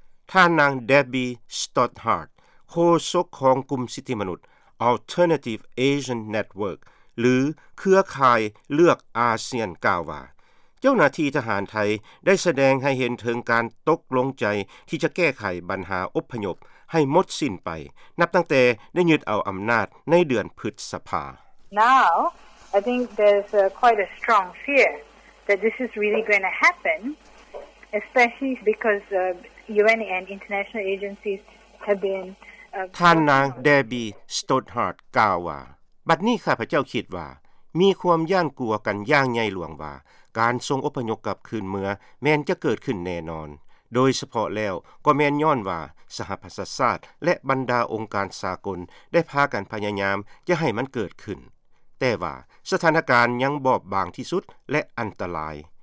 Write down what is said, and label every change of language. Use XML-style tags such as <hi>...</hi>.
<th>ท่านนางเดบบี้สตอตฮาร์ทโฆษกของกลุ่มสิทธิมนุษย์ Alternative Asian Network หรือเครือข่ายเลือกอาเซียนกล่าวว่าเจ้าหน้าที่ทหารไทยได้แสดงให้เห็นถึงการตกลงใจที่จะแก้ไขปัญหาอพยพให้หมดสิ้นไปนับตั้งแต่ได้ยึดเอาอำนาจในเดือนพฤษภา</th> <en>Now I think there's quite a strong fear that this is really going to happen, especially because UN and international agencies have been</en> <th>ท่านนางเดบีสตอตฮาร์ดกล่าวว่าบัดนี้ข้าพเจ้าคิดว่ามีความย่านกลัวกันอย่างใหญ่หลวงว่าการทรงอพยพกลับคืนเมืองแม้นจะเกิดขึ้นแน่นอนโดยเฉพาะแล้วก็แม้นย้อนว่าสหประชาชาติและบรรดาองค์การสากลได้พากันพยายามจะให้มันเกิดขึ้นแต่ว่าสถานการณ์ยังบอบบางที่สุดและอันตราย</th>